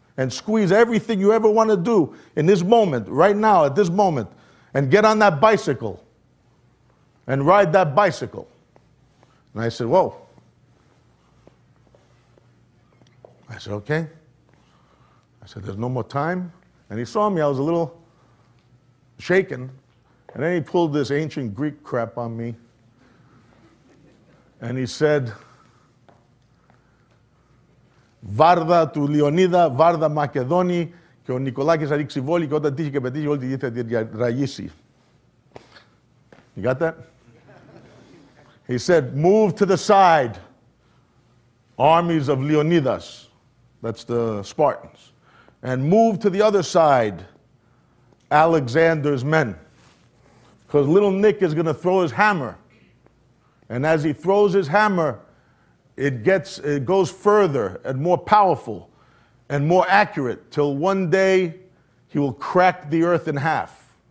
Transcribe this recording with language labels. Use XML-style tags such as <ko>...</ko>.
<en>And squeeze everything you ever want to do in this moment, right now, at this moment, and get on that bicycle and ride that bicycle. And I said, whoa. I said, okay. I said, there's no more time. And he saw me. I was a little shaken. And then he pulled this ancient Greek crap on me. And he said,</en> <el>Βάρδα του Λιονίδα, Βάρδα Μακεδόνη, και ο Νικολάκης θα ρίξει βόλη και όταν τύχει και πετύχει όλη τη γη θα τη ραγίσει.</el> <en>You got that? He said, move to the side, armies of Leonidas, that's the Spartans, and move to the other side, Alexander's men, because little Nick is going to throw his hammer, and as he throws his hammer, it goes further and more powerful and more accurate till one day he will crack the earth in half.</en>